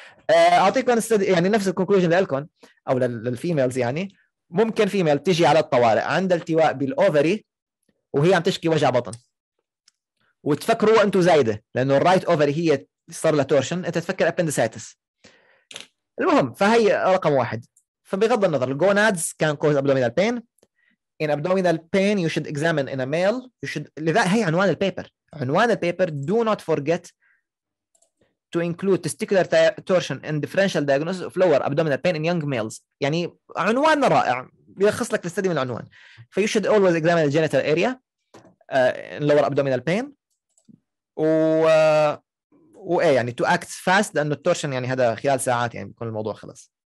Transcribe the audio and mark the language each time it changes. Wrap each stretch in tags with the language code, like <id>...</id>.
<ar>اعطيكم يعني نفس الكونكلوجن لكم او للفيميلز، يعني ممكن فيميل تجي على الطوارئ عند التواء بالاوفري وهي عم تشكي وجع بطن وتفكروا انتم زايده لانه الرايت اوفري هي صار لها تورشن، انت تفكر ابندسايتس. المهم فهي رقم واحد. فبغض النظر الجونادز كان كوز ابدومينال بين،</ar> <en>in abdominal pain you should examine in a male you should.</en> <ar>هي عنوان البيبر، عنوان البيبر</ar> <en>do not forget to include testicular torsion in differential diagnosis of lower abdominal pain in young males.</en> <ar>يعني عنوان رائع يلخص لك الاستدي من العنوان. ف</ar> <en>you should always examine the genital area in lower abdominal pain</en> <ar>و ايه يعني</ar> <en>to act fast</en> <ar>لانه التورشن يعني هذا خلال ساعات يعني بيكون الموضوع خلص.</ar>